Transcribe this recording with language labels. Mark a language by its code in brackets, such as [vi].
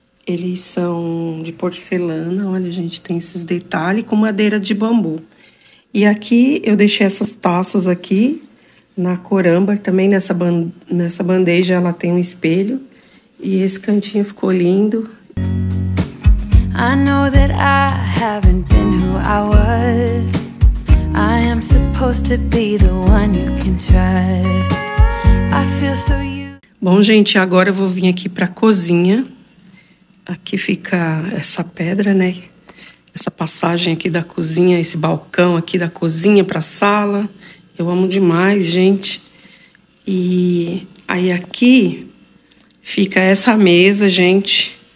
[pt] Eles são de porcelana. Olha, gente, tem esses detalhes com madeira de bambu. E aqui eu deixei essas taças aqui na cor âmbar. Também nessa bandeja ela tem um espelho. E esse cantinho ficou lindo. [en] I know that I haven't been who I was. I am supposed to be the one you can trust. I feel so you. [pt] Bom, gente, agora eu vou vir aqui pra cozinha. Aqui fica essa pedra, né? Essa passagem aqui da cozinha, esse balcão aqui da cozinha pra sala. Eu amo demais, gente. E aí aqui fica essa mesa, gente.